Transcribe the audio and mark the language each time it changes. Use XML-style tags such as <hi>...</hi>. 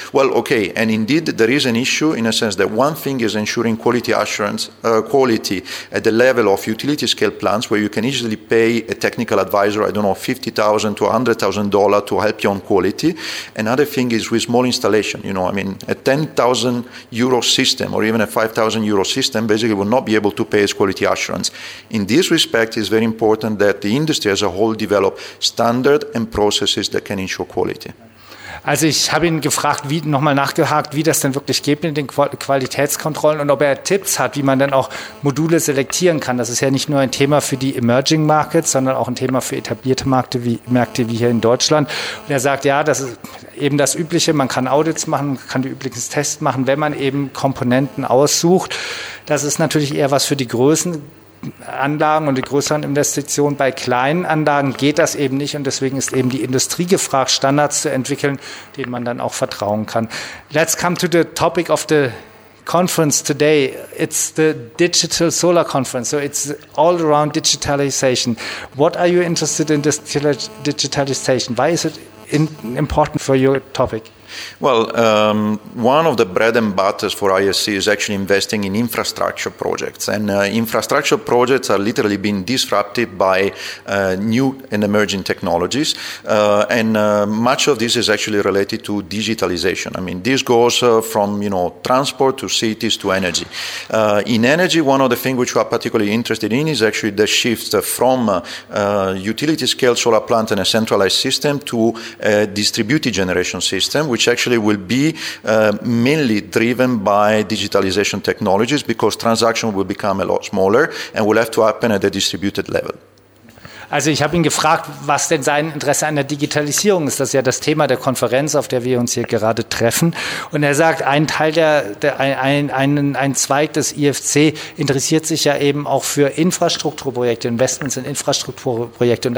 <en>Well, okay, and indeed there is an issue in a sense that one thing is ensuring quality assurance, quality at the level of utility scale plants where you can easily pay a technical advisor, I don't know, $50,000 to $100,000 to help you on quality. Another thing is with small installation, you know, I mean, a 10,000 euro system or even a 5,000 euro system basically will not be able to pay its quality assurance. In this respect, it's very important that the industry as a whole develop standard and processes that can ensure quality.</en> <de>Also ich habe ihn gefragt, wie nochmal nachgehakt, wie das denn wirklich geht mit den Qualitätskontrollen und ob er Tipps hat, wie man dann auch Module selektieren kann. Das ist ja nicht nur ein Thema für die Emerging Markets, sondern auch ein Thema für etablierte Märkte wie hier in Deutschland. Und er sagt, ja, das ist eben das Übliche, man kann Audits machen, man kann die üblichen Tests machen, wenn man eben Komponenten aussucht. Das ist natürlich eher was für die Größen. Anlagen und die größeren Investitionen. Bei kleinen Anlagen geht das eben nicht und deswegen ist eben die Industrie gefragt, Standards zu entwickeln, denen man dann auch vertrauen kann.</de> <en>Let's come to the topic of the conference today. It's the Digital Solar Conference, so it's all around digitalization. What are you interested in this digitalization? Why is it important for your topic? Well, one of the bread and butters for ISC is actually investing in infrastructure projects. And infrastructure projects are literally being disrupted by new and emerging technologies. Much of this is actually related to digitalization. I mean, this goes from, you know, transport to cities to energy. In energy, one of the things which we are particularly interested in is actually the shift from utility-scale solar plant and a centralized system to a distributed generation system, which actually will be mainly driven by digitalization technologies because transactions will become a lot smaller and will have to happen at a distributed level.</en> <de>Also ich habe ihn gefragt, was denn sein Interesse an der Digitalisierung ist. Das ist ja das Thema der Konferenz, auf der wir uns hier gerade treffen. Und er sagt, ein Zweig des IFC interessiert sich ja eben auch für Infrastrukturprojekte, Investments in Infrastrukturprojekte.</de>